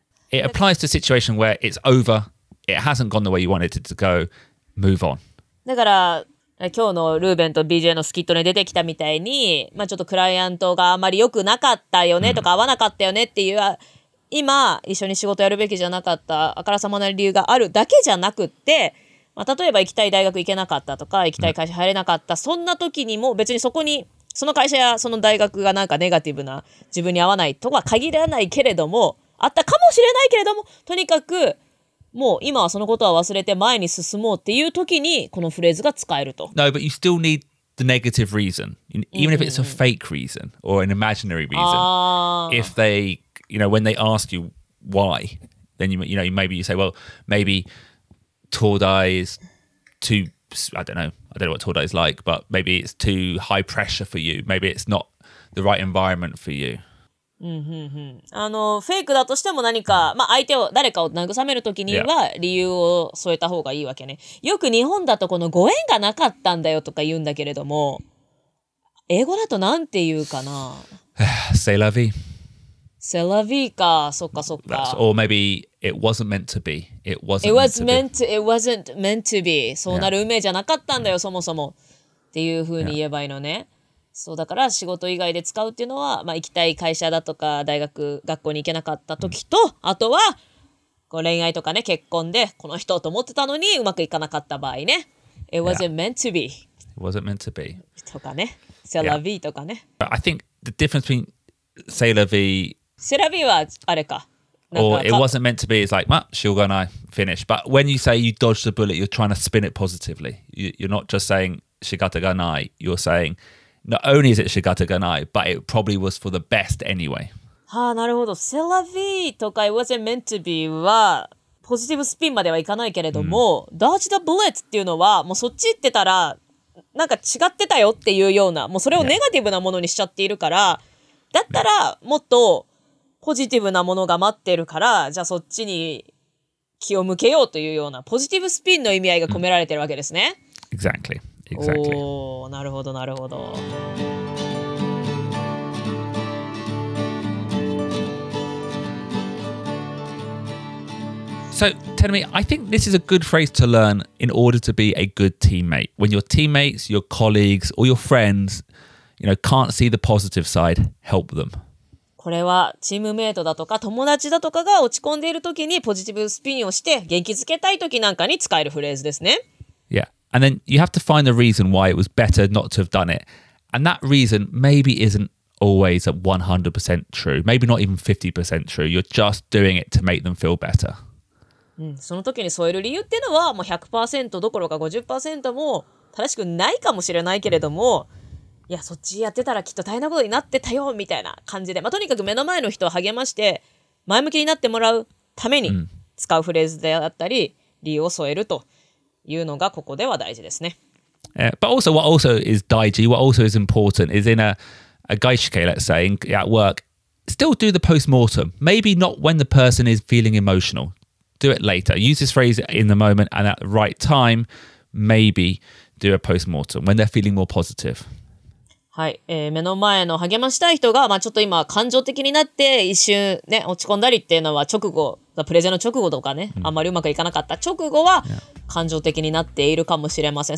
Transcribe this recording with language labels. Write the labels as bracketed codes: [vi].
[en] It applies to a situation where it's over, it hasn't gone the way you wanted it to go, move on. [ja] だから、今日のルーベンと BJ のスキットに出てきたみたいに、まあ、ちょっとクライアントがあまり良くなかったよねとか合わなかったよねっていう、今一緒に仕事やるべきじゃなかったあからさまな理由があるだけじゃなくって、まあ、例えば行きたい大学行けなかったとか行きたい会社入れなかった、そんな時にも別にそこにその会社やその大学がなんかネガティブな自分に合わないとは限らないけれども、あったかもしれないけれども、とにかくもう今はそのことは忘れて前に進もうっていう時にこのフレーズが使えると。 [en] No, but you still need the negative reason. Even if it's a fake reason or an imaginary reason. If they, you know, when they ask you why, then you know, maybe you say, well, maybe Todai is too, I don't know what Todai is like, but maybe it's too high pressure for you. Maybe it's not the right environment for you. [ja] あの、フェイクだとしても何か、まあ、相手を、誰かを慰めるときには理由を添えた方がいいわけね。よく日本だとこのご縁がなかったんだよとか言うんだけれども、英語だとなんて言うかな。 [fr] C'est la vie. C'est la vie [ja] か、そっかそっか。 [en] Or maybe it wasn't meant to be. It wasn't meant to be. [ja] そうなる運命じゃなかったんだよ、そもそも。っていうふうに言えばいいのね。そうだから仕事以外で使うっていうのは、まあ、行きたい会社だとか大学学校に行けなかった時と、あとはこう恋愛とかね、結婚でこの人と思ってたのにうまくいかなかった場合ね、 [en] It wasn't meant to be. It wasn't meant to be. [ja] とかね、 [fr] C'est la vie [ja] とかね、 [en] But I think the difference between [fr] C'est la vie, C'est la vie [ja] はあれか、 [en] Or it wasn't meant to be, it's like, well, she'll go and I finish. But when you say you dodged the bullet, you're trying to spin it positively. You're not just saying [ja] shigata ganai, [en] you're saying,Not only is it shigata ganai, but it probably was for the best anyway. [ja] Ah, なるほど。セラビーとか [en] it wasn't meant to be [ja] は、ポジティブスピンまではいかないけれども、 [en] dodge the bullet [ja] っていうのは、もうそっち行ってたら、なんか違ってたよっていうような、もうそれをネガティブなものにしちゃっているから、だったらもっとポジティブなものが待ってるから、じゃあそっちに気を向けようというような、ポジティブスピンの意味合いが込められてるわけですね。 [en] Exactly. Exactly. [ja] おー、なるほどなるほど。 [en] So, tell me, I think this is a good phrase to learn in order to be a good teammate. When your teammates, your colleagues, or your friends, you know, can't see the positive side, help them. [ja] これはチームメイトだとか友達だとかが落ち込んでいるときにポジティブスピンをして元気づけたいときなんかに使えるフレーズですね。 [en] Yeah. And then you have to find the reason why it was better not to have done it. And that reason maybe isn't always 100% true. Maybe not even 50% true. You're just doing it to make them feel better. [ja] その時に添える理由っていうのはもう 100% どころか 50% も正しくないかもしれないけれども、いや、そっちやってたらきっと大変なことになってたよみたいな感じで、まあ、とにかく目の前の人を励まして前向きになってもらうために使うフレーズであったり、理由を添えると。いうのがここでは大事ですね。 [en] Yeah, but also, what also is 大事, what also is important is in a 外資系, let's say, at work, still do the post-mortem. Maybe not when the person is feeling emotional. Do it later. Use this phrase in the moment and at the right time, maybe do a post-mortem when they're feeling more positive. [ja] はい、目の前の励ましたい人が、まあ、ちょっと今感情的になって一瞬、ね、落ち込んだりっていうのは直後、プレゼンの直後とかね、あんまりうまくいかなかった直後は、感情的になっているかもしれません。